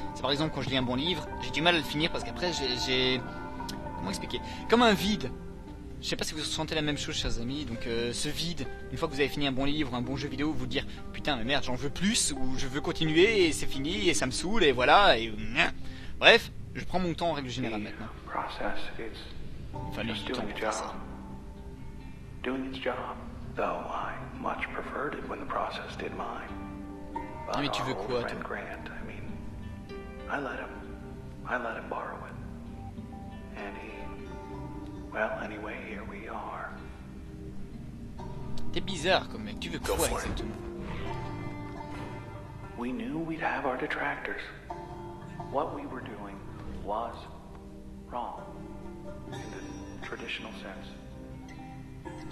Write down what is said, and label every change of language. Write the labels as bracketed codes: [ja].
[fr] C'est par exemple quand je lis un bon livre, j'ai du mal à le finir parce qu'après, j'ai... Comment expliquer ? Comme un vide. Je ne sais pas si vous ressentez la même chose, chers amis. Donc, ce vide, une fois que vous avez fini un bon livre ou un bon jeu vidéo, vous dire « Putain, mais merde, j'en veux plus » ou « Je veux continuer et c'est fini et ça me saoule et voilà. » Et bref, je prends mon temps en règle générale maintenant. [en] Process, it's enfin, just doing a job. Doing its job, though I much preferred it when the process did mine. But ah, [fr] mais tu veux quoi, toi? [en] Grant, I mean, I let him borrow it. And he... Well, anyway, here we are. [fr] T'es bizarre comme mec, tu veux quoi exactement? [en] We knew we'd have our detractors. What we were doing was wrong in the traditional sense.